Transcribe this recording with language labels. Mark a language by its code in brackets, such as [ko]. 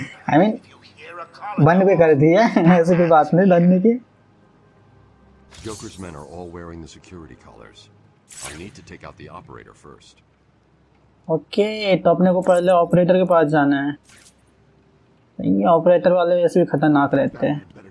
[hi] I mean बंद भी कर दिए, ऐसी कोई बात नहीं लड़ने की। [en] Joker's men are all wearing the security collars. I need to take out the operator first. [hi] Okay, तो अपने को पहले ऑपरेटर के पास जाना है। ये ऑपरेटर वाले वैसे भी खतरनाक रहते हैं।